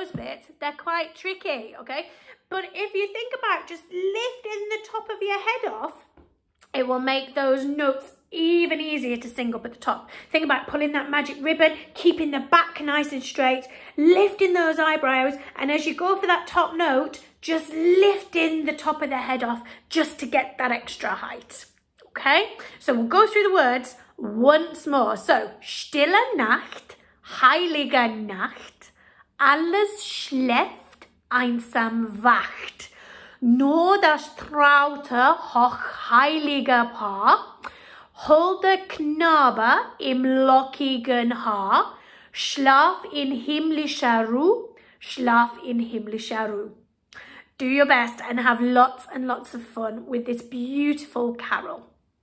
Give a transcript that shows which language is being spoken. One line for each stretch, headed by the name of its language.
English: Those bits, they're quite tricky, okay? But if you think about just lifting the top of your head off, it will make those notes even easier to sing up at the top. Think about pulling that magic ribbon, keeping the back nice and straight, lifting those eyebrows, and as you go for that top note, just lifting the top of the head off just to get that extra height. Okay, so we'll go through the words once more.
German: So, Stille Nacht, Heilige Nacht, alles schläft, einsam wacht, nur das traute hoch heilige Paar, Holde Knabe im lockigen Haar, Schlaf in himmlischer Ruhe, Schlaf in himmlischer Ruhe.
English: Do your best and have lots and lots of fun with this beautiful carol.